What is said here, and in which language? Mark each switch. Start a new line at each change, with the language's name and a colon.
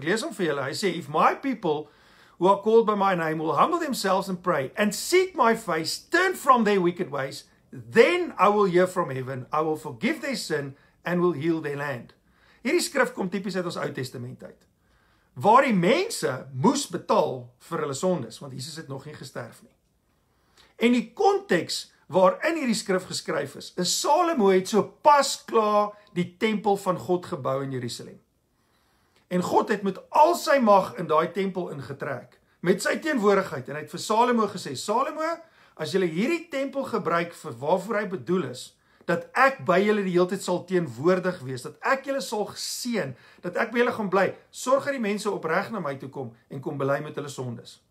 Afrikaans: Ek lees hom vir julle. Hy sê
English: if my people who are called by my name will humble themselves and pray and seek my face, turn from their wicked ways, then I will hear from heaven, I will forgive their sin and will heal their land.
Afrikaans: Hierdie skrif kom tipies uit ons Ou Testament uit. Waar die mense moes betaal vir hulle sondes, want Jesus het nog nie gesterf nie. En die konteks waarin hierdie skrif geskryf is, is Salomo het so pas klaar die tempel van God gebou in Jerusalem. En God het met al sy mag in daai tempel ingetrek, met sy teenwoordigheid, en hy het vir Salomo gesê, Salomo, as julle hierdie tempel gebruik vir waarvoor hy bedoel is, dat ek by julle die hele tyd sal teenwoordig wees, dat ek julle sal seën, dat ek by julle gaan bly, sorg dat die mense opreg na my toe kom en kom bely met hulle sondes.